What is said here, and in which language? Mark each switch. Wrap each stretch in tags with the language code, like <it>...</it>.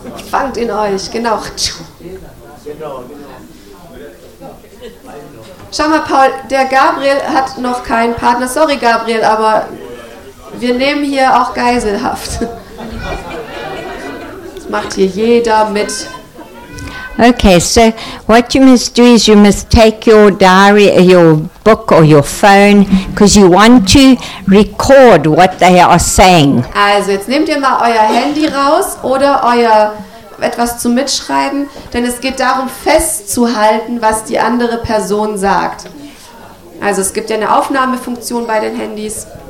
<de>Fangt in euch, genau. Schau mal, Paul, der Gabriel hat noch keinen Partner. Sorry, Gabriel, aber wir nehmen hier auch Geiselhaft. Macht hier jeder mit.</de> <en>Okay, so what you must do is you must take your diary, your book or your phone, because you want to record what they are saying.</en> <de>Also jetzt nehmt ihr mal euer Handy raus oder euer etwas zum Mitschreiben, denn es geht darum festzuhalten, was die andere Person sagt. Also es gibt ja eine Aufnahmefunktion bei den Handys.</de>